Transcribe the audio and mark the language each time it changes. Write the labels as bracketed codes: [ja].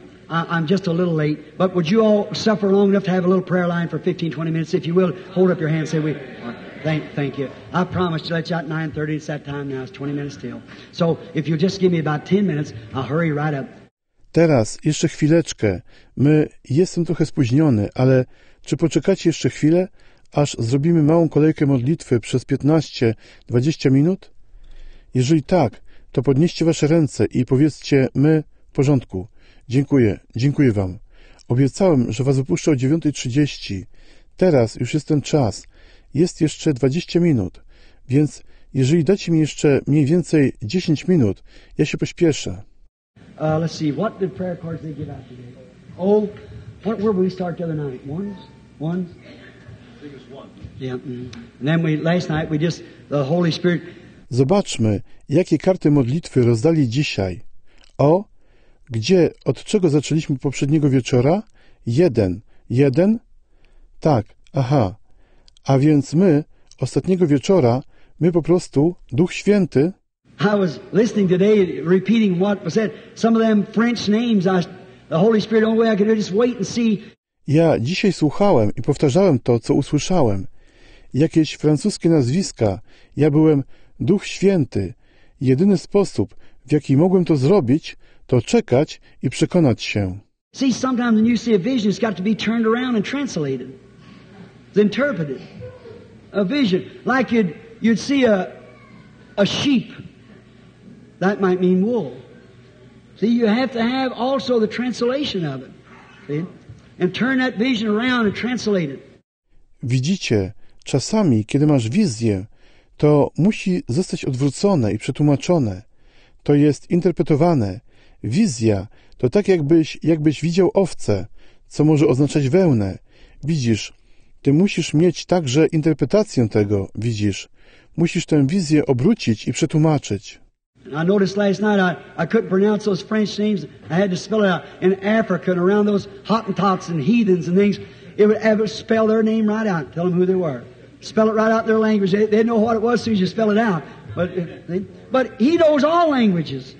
[en] I'm just a little late, but would you all suffer long enough to have a little prayer line for 15-20 minutes? If you will, hold up your hand and say, thank you. I promised to let you out at 9:30. It's that time now. It's 20 minutes still. So if you'll just give me about 10 minutes, I'll hurry right up. [pl] Teraz, jeszcze chwileczkę. Jestem trochę spóźniony, ale czy poczekacie jeszcze chwilę, aż zrobimy małą kolejkę modlitwy przez 15-20 minut? Jeżeli tak, to podnieście wasze ręce i powiedzcie w porządku. Dziękuję wam. Obiecałem, że was wypuszczę o 9:30. Teraz już jest ten czas. Jest jeszcze 20 minut, więc jeżeli dacie mi jeszcze mniej więcej 10 minut, ja się pośpieszę. [en] Let's see, what did prayer cards they give out today? Oh, what were we start the other night? One? I think it was one. Yeah. And then last night the Holy Spirit. [pl] Zobaczmy, jakie karty modlitwy rozdali dzisiaj. O, gdzie, od czego zaczęliśmy poprzedniego wieczora? Jeden? Tak, aha. A więc ostatniego wieczora, po prostu, Duch Święty. [en] I was listening today, repeating what was said. Some of them French names, the Holy Spirit, only way I could do it, just wait and see. [pl] Ja dzisiaj słuchałem i powtarzałem to, co usłyszałem. Jakieś francuskie nazwiska, ja byłem Duch Święty. Jedyny sposób, w jaki mogłem to zrobić, to czekać i przekonać się. [en] See, sometimes when you see a vision, it's got to be turned around and translated. It's interpreted. A vision. Like you'd see a sheep. That might mean wool. See, you have to have also the translation of it. See? And turn that vision around and translate it. [pl] Widzicie, czasami, kiedy masz wizję, to musi zostać odwrócone i przetłumaczone. To jest interpretowane. Wizja to tak, jakbyś widział owcę, co może oznaczać wełnę. Widzisz, ty musisz mieć także interpretację tego, widzisz. Musisz tę wizję obrócić i przetłumaczyć. [en] I noticed last night I couldn't pronounce those French names. I had to spell it out in Africa and around those Hottentots and heathens and things. It would ever spell their name right out, tell them who they were. Spell it right out in their language. They'd know what it was as soon as you spell it out. But he knows all languages.